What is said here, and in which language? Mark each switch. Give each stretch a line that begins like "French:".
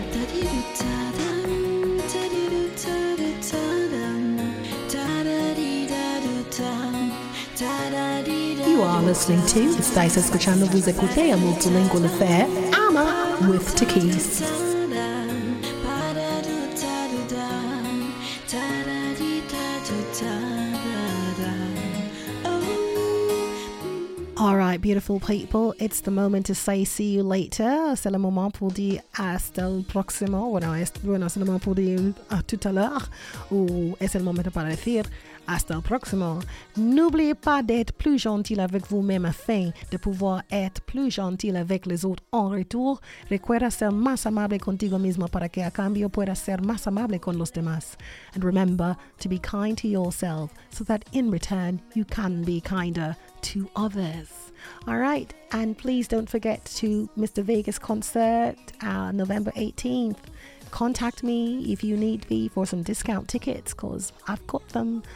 English: You are listening to the Stasis Kuchana Vizekute, a multilingual affair, AMA, with Takis. All right, beautiful people, it's the moment to say see you later.
French: Salam moment pour dire
Spanish: hasta el próximo. Bueno,
French: salam pour dire a tout à l'heure.
Spanish: Ou es el momento para decir hasta el próximo.
French: N'oubliez pas d'être plus gentil avec vous-même afin de pouvoir être plus gentil avec les autres en retour.
Spanish: Recuerda ser más amable contigo mismo para que a cambio puedas ser más amable con los demás.
English: And remember to be kind to yourself so that in return you can be kinder to others. All right, and please don't forget to Mr. Vegas concert November 18th. Contact me if you need me for some discount tickets, because I've got them.